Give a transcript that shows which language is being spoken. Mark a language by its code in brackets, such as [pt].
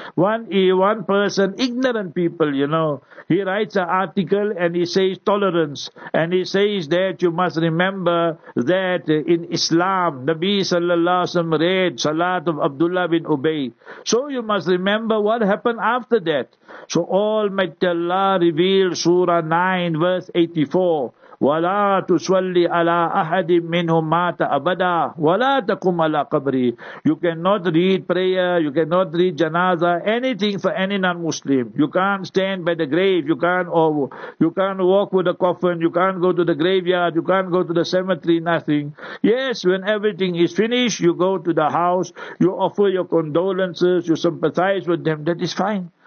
[en] One person, ignorant people, you know. He writes an article and he says tolerance. And he says that you must remember that in Islam, Nabi sallallahu alaihi wasallam read Salat of Abdullah bin Ubay. So you must remember what happened after that. So Almighty Allah revealed Surah 9 verse 84. [ar] ولا تصلي على احد منهم مات ابدا ولا تقم على قبري. [en] You cannot read prayer, you cannot read janaza, anything for any non-Muslim. You can't stand by the grave, you can't walk with the coffin, you can't go to the graveyard, you can't go to the cemetery, nothing. Yes, when everything is finished, you go to the house, you offer your condolences, you sympathize with them, that is fine.